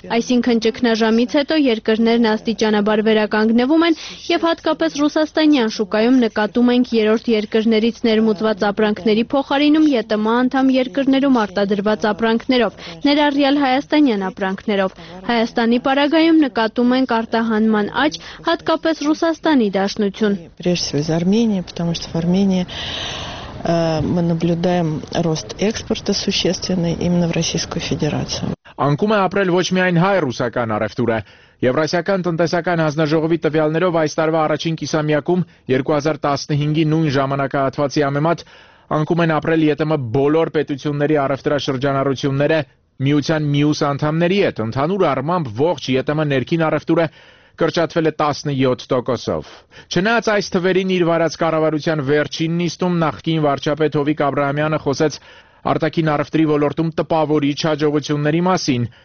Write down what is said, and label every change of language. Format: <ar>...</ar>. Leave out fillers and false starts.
<hy>Այսինքն ճգնաժամից հետո երկրներն աստիճանաբար վերականգնվում են եւ հատկապես ռուսաստանյան շուկայում նկատում ենք երրորդ երկրներից ներմուծված ապրանքների փոխարինում ԵՏՄ անդամ երկրներում արտադրված ապրանքներով, ներառյալ հայաստանյան ապրանքներով։ Հայաստանի պարագայում նկատում ենք արտահանման աճ, հատկապես Ռուսաստանի դաշնություն։</hy> <ru>Прежде всего из Армении, потому что в Армении мы наблюдаем рост экспорта существенный именно в Российскую Федерацию։</ru> <hy>Անկում է ապրել ոչ միայն հայ-ռուսական առևտուրը։ Եվրասիական տնտեսական հանձնաժողովի տվյալներով այս տարվա առաջին կիսամյակում 2015-ի նույն ժամանակահատվածի համեմատ անկում են ապրել ԵՏՄ բոլոր պետությունների առևտրաշրջանառությունները միության մյուս անդամների հետ, ընդհանուր առմամբ ողջ ԵՏՄ ներքին առևտուրը կրճատվել է 17%-ով։ Չնայած այս թվերին իր վարած կառավարության վերջին նիստում նախկին վարչապետ Հովիկ Աբրահամյանը խոսեց արտաքին առևտրի ոլորտում տպավորիչ հաջողությունների մասին։</hy>